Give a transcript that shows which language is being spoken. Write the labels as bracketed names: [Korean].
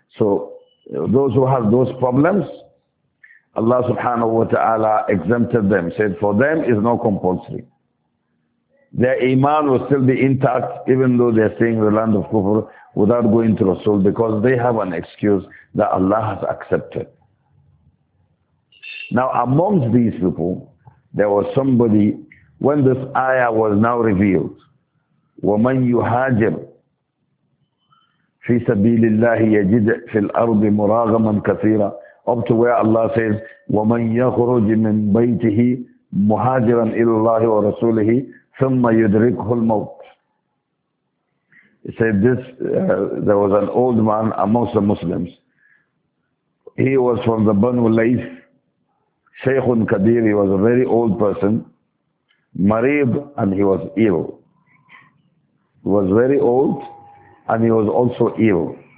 [English] So those who have those problems, Allah subhanahu wa ta'ala exempted them, said for them is not compulsory. Their iman will still be intact, even though they're staying in the land of kufr without going to Rasul, because they have an excuse that Allah has accepted. Now amongst these people, there was somebody, when this ayah was now revealed, [Arabic] وَمَنْ يُهَاجِرْ فِي سَبِيلِ اللَّهِ يَجِدْ فِي الْأَرْضِ مُرَاغَمًا كَثِيرًا, [English] up to where Allah says, [Arabic] وَمَنْ يَخْرُجْ مِنْ بَيْتِهِ مُهَاجِرًا إِلَى اللَّهِ وَرَسُولِهِ ثُمَّ يُدْرِكْهُ الْمَوْتِ. [English] He said this, there was an old man amongst the Muslims. He was from the Banu Layth. [Arabic] Shaykhun Kadir, [English] he was a very old person. Marib, and he was ill. He was very old, and he was also ill.